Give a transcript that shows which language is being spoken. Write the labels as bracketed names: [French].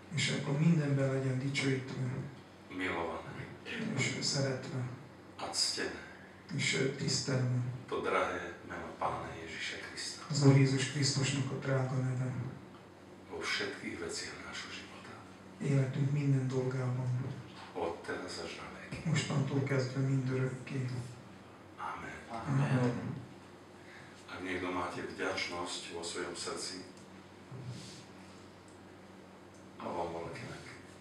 [Hungarian] És akkor mindenben legyen dicsőítve. [Slovak] Milované. [Hungarian] És szeretve. [Slovak] A ctené. [Hungarian] És tisztelve. [Slovak] To drahé meno Pána Ježíše Krista. [Hungarian] Az Úr Jézus Krisztusnak a drága neve. [Slovak] Vo všetkých veciach nášho života. [Hungarian] Életünk minden dolgában. [Slovak] Ott teraz až na veky. [Hungarian] Mostantól kezdve mindörökké. Amen. Amen. Amen. [Slovak] Ak niekto máte vďačnosť vo svojom srdci, a vám bol kinek.